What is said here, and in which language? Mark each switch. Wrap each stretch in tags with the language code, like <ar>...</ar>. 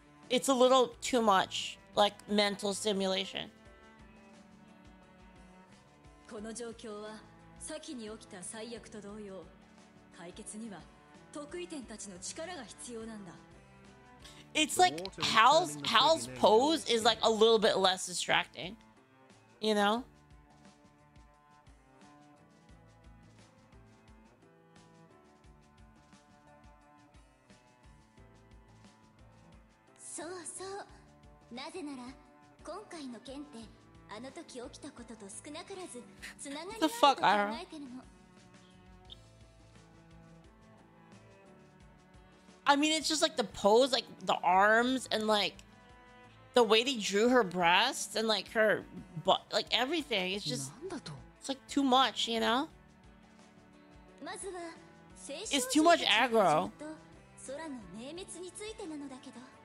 <en>It's a little too much, like mental stimulation.</en> <ja>この状況は先に起きた最悪と同様、解決には得意点たちの力が必要なんだ。</ja> <en>It's like Hal's pose is like a little bit less distracting, you know?</en> <ja>そうそう。なぜなら今回の件って。あの時起きたことと少なからずつながりがあると考えてるの。</ja> <en>I mean, it's just like the pose, like the arms and like the way they drew her breasts and like her butt, like everything. It's just, it's like too much, you know?</en> <ja>まずは、</ja> <en>It's too much aggro.</en> <ja>空の明滅についてなのだけど。</ja>